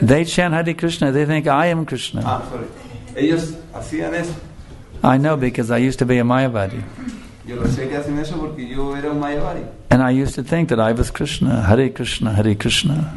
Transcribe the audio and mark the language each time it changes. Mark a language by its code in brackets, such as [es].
[en] They chant Hare Krishna, they think, I am Krishna. Ah, sorry. [es] Ellos hacían eso. [en] I know, because I used to be a Mayavadi. [es] Yo lo sé que hacen eso porque yo era un Mayavadi. [en] And I used to think that I was Krishna, Hare Krishna, Hare Krishna.